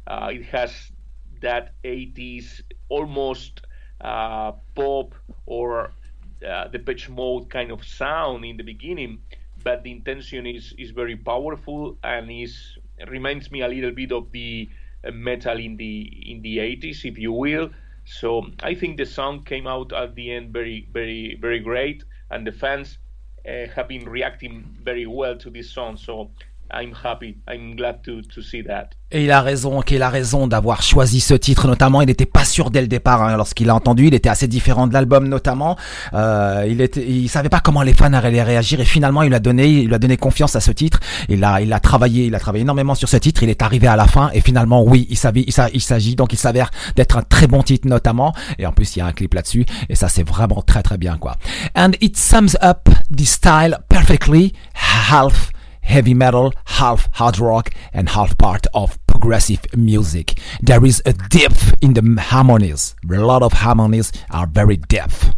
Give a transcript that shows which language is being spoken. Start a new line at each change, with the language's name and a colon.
English: It has that 80s, almost pop or the Depeche Mode kind of sound in the beginning, but the intention is very powerful and reminds me a little bit of the metal in the 80s, if you will. So I think the song came out at the end very, very, very great, and the fans have been reacting very well to this song. So I'm happy. I'm glad to see that.
French: Et il a raison d'avoir choisi ce titre notamment. Il n'était pas sûr dès le départ, hein, lorsqu'il l'a entendu. Il était assez différent de l'album notamment. Il savait pas comment les fans allaient réagir. Et finalement, il lui a donné confiance à ce titre. Il a travaillé énormément sur ce titre. Il est arrivé à la fin. Et finalement, oui, il s'avère d'être un très bon titre notamment. Et en plus, il y a un clip là-dessus. Et ça, c'est vraiment très très bien, quoi.
English: And it sums up the style perfectly. Half heavy metal, half hard rock, and half part of progressive music. There is a depth in the harmonies. A lot of harmonies are very deep.